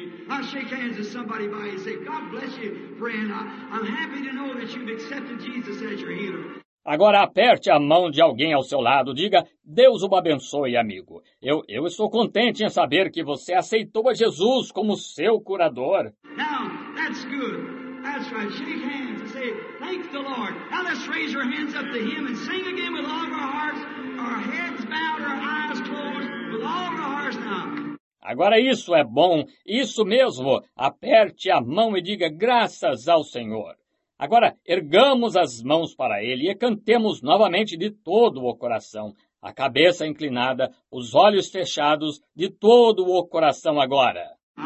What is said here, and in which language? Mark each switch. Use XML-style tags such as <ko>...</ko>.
<en>I shake hands with somebody by and say, God bless you, friend. I'm happy to know that you've accepted Jesus as your healer.</en> <pt>Agora aperte a mão de alguém ao seu lado. Diga, Deus o abençoe, amigo. Eu estou contente em saber que você aceitou a Jesus como seu curador.</pt> <en>Now, that's good. That's right. Shake hands and say, thank the Lord. Now let's raise your hands up to him and sing again with all of our hearts. Our heads bowed, our eyes closed, with all of our hearts now.</en> <pt>Agora isso é bom. Isso mesmo. Aperte a mão e diga graças ao Senhor. Agora, ergamos as mãos para ele e cantemos novamente de todo o coração. A cabeça inclinada, os olhos fechados, de todo o coração agora.</pt>